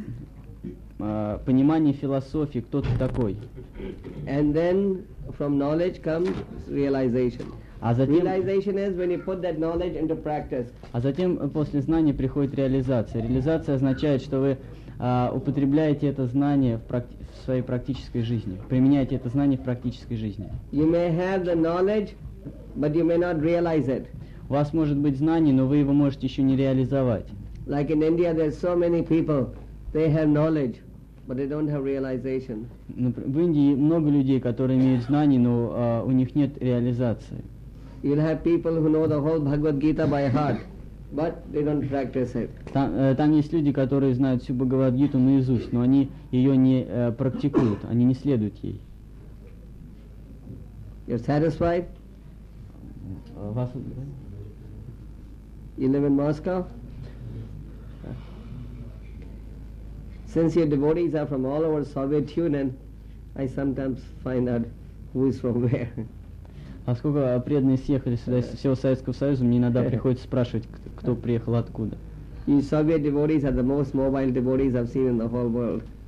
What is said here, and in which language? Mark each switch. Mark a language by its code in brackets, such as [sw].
[ru] Знание – это понимание философии, кто ты такой. [en] And then from knowledge comes realization. Realization is when you put that knowledge into practice. [ru] А затем после знания приходит реализация. Реализация означает, что вы употребляете это знание в своей практической жизни, применяете это знание в практической жизни. [en] You may have the knowledge, but you may not realize it. [ru] У вас может быть знание, но вы его можете еще не реализовать. [en] Like in India, there's so many people, they have knowledge, but they don't have realization. [ru] В Индии много людей, которые имеют знание, но у них нет реализации. [en] You'll have people who know the whole Bhagavad Gita by heart, but they don't practice it. [ru] Там есть люди, которые знают всю Бхагавад Гиту наизусть, но они ее не практикуют, они не следуют ей. [en] You're satisfied? [ru] Вас... [en] You live in Moscow? Since your devotees are from all over Soviet Union, I sometimes find out who is from where. [ru] А сколько преданные съехали сюда из всего Советского Союза, мне иногда приходится спрашивать, кто приехал откуда. [en] You Soviet devotees are the most mobile devotees I've seen in the whole world.